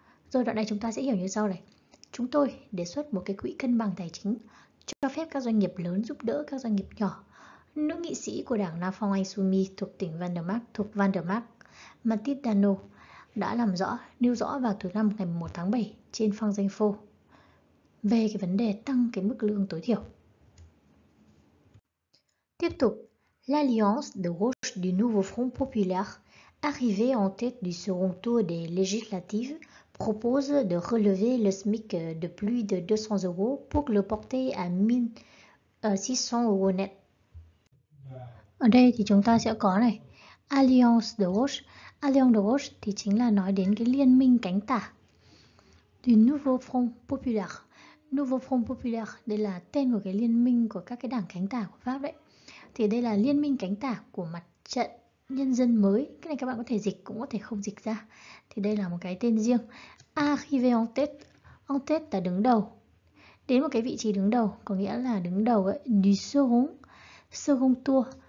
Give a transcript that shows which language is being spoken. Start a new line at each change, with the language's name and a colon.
Vietnamese: Rồi đoạn này chúng ta sẽ hiểu như sau này. Chúng tôi đề xuất một cái quỹ cân bằng tài chính cho phép các doanh nghiệp lớn giúp đỡ các doanh nghiệp nhỏ. Nữ nghị sĩ của đảng La France Insoumise thuộc tỉnh Van der Mark, thuộc Van der Mark, Mathilde Dano đã làm rõ, nêu rõ vào thứ năm ngày 1 tháng 7 trên Phan Danh Phô về cái vấn đề tăng cái mức lương tối thiểu.
French: Tiếp tục, l'Alliance de gauche du Nouveau Front Populaire, arrivée en tête du second tour des législatives, propose de relever le SMIC de plus de 200 euros pour le porter à 1 600 euros net.
Vietnamese: Ở đây thì chúng ta sẽ có này, Alliance de gauche. Alliance de gauche thì chính là nói đến cái liên minh cánh tả.
French: Du Nouveau Front Populaire.
Vietnamese: Nouveau Front Populaire, đây là tên của cái liên minh của các cái đảng cánh tả của Pháp đấy. Thì đây là liên minh cánh tả của mặt trận nhân dân mới. Cái này các bạn có thể dịch cũng có thể không dịch ra. Thì đây là một cái tên riêng.
French: Arrivé en tête.
Vietnamese: En tête là đứng đầu. Đến một cái vị trí đứng đầu, có nghĩa là đứng đầu ấy.
French: Du second. Second tour.